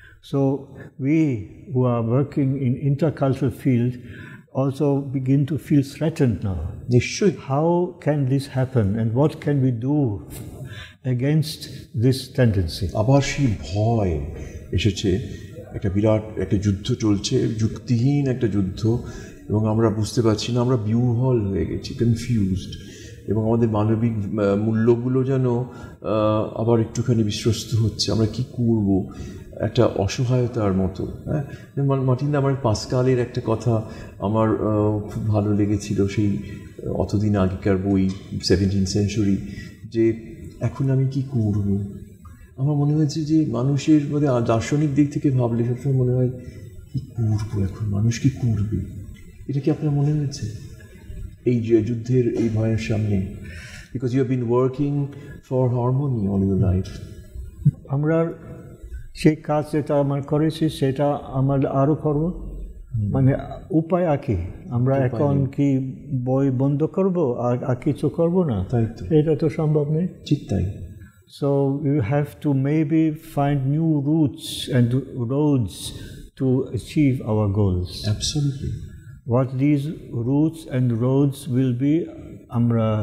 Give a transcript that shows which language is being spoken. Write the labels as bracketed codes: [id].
[en] So we who are working in intercultural field also begin to feel threatened now. They should. How can this happen and what can we do against this tendency? [bn] Abar shi bhoy esheche. একটা বিরাট একটা যুদ্ধ চলছে, যুক্তিহীন একটা যুদ্ধ, এবং আমরা বুঝতে পারছি না, আমরা বিহ্বল হয়ে গেছি, কনফিউজড, এবং আমাদের মানবিক মূল্যগুলো যেন আবার একটুখানি বিশ্বস্ত হচ্ছে, আমরা কী করব, একটা অসহায়তার মতো। হ্যাঁ, মার্টিন, আমার পাস্কালের একটা কথা আমার খুব ভালো লেগেছিল, সেই অতদিন আগেকার বই, 17th century, যে এখন আমি কী করব। আমার মনে হয়েছে যে মানুষের মধ্যে দার্শনিক দিক থেকে ভাবলে সবসময় মনে হয় কী করবো এখন, মানুষ কী করবে। এটা কি আপনার মনে হয়েছে এই যে যুদ্ধের এই ভয়ের সামনে? [en] Because you have been working for harmony all your life. [bn] আমরা সেই কাজ যেটা আমার করেছি সেটা আমার আরও করবো, মানে উপায় আঁকি। আমরা এখন কি বই বন্ধ করবো আর কিছু করবো না? তাই তো, এটা তো সম্ভব নেই। ঠিক তাই। [en] So you have to maybe find new routes and roads to achieve our goals. Absolutely. What these routes and roads will be, [bn] amra